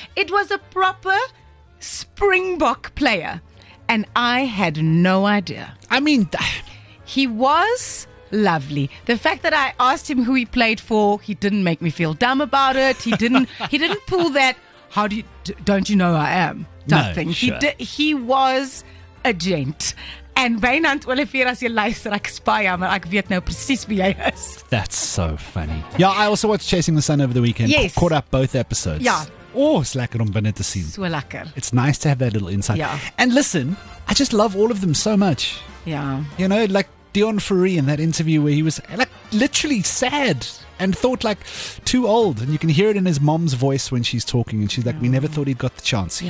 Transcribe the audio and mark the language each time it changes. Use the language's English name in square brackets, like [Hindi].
[English] It was a proper Springbok player. And I had no idea. I mean, he was lovely. The fact that I asked him who he played for, he didn't make me feel dumb about it. He didn't pull that, how do you, don't you know I am? Nothing. Sure. He was a gent. [Afrikaans] And Wynand Olivier, as jy luister, ek spy jou, maar ek weet nou presies wie jy is. [English] That's so funny. Yeah, I also watched Chasing the Sun over the weekend. Yes. Caught up both episodes. Yeah. Oh, it's [Afrikaans] lekker om binnen te sien. [English] So lekker. It's nice to have that little insight. Yeah. And listen, I just love all of them so much. Yeah. You know, like Dion Fury in that interview where he was like literally sad and thought like too old, and you can hear it in his mom's voice when she's talking and she's like, we never thought he'd got the chance.